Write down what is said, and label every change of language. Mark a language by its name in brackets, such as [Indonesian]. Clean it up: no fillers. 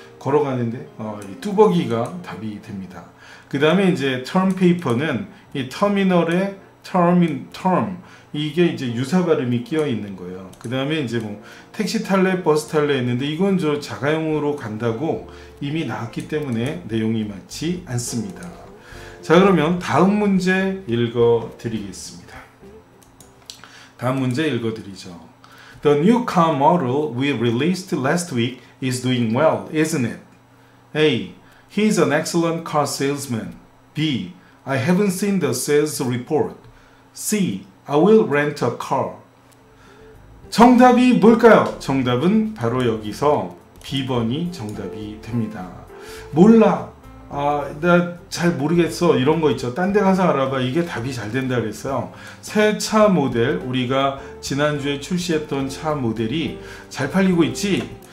[Korean] 걸어가는데 이 뚜벅이가 답이 됩니다. 그 다음에 이제 term paper는 이 터미널에 term 이게 이제 유사 발음이 끼어 있는 거예요. 그 다음에 이제 뭐 택시 탈래 버스 탈래 했는데 이건 저 자가용으로 간다고 이미 나왔기 때문에 내용이 맞지 않습니다. 자, 그러면 다음 문제 읽어 드리겠습니다. 다음 문제 읽어 드리죠. [English] The new car model we released last week is doing well, isn't it? A. He's an excellent car salesman. B. I haven't seen the sales report. C. I will rent a car. [Korean] 정답이 뭘까요? 정답은 바로 여기서 B번이 정답이 됩니다. 몰라. 아, 나 잘 모르겠어. 이런 거 있죠. 딴 데 가서 알아봐. 이게 답이 잘 된다 그랬어요. 새 차 모델, 우리가 지난주에 출시했던 차 모델이 잘 팔리고 있지?